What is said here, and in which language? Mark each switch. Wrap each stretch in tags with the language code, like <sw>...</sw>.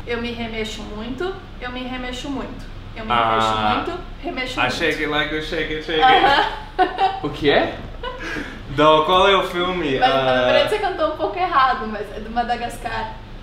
<pt>Eu me remexo muito, eu me remexo muito. Eu me remexo muito, remexo muito.</pt> <en>I shake it like a shake it, shake it.</en> <pt>O que é? Então, qual é o filme? Mas, na verdade, você cantou um pouco errado, mas é do Madagascar.</pt>